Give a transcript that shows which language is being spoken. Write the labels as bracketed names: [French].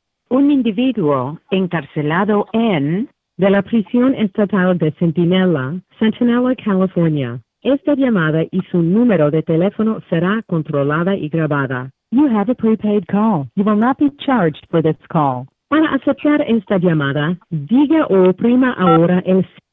[Spanish] Un individuo encarcelado en de la prisión estatal de Sentinela, California. Esta llamada y su número de teléfono será controlada y grabada. [English] You have a prepaid call. You will not be charged for this call. [Spanish] Para aceptar esta llamada, diga o oprima ahora el...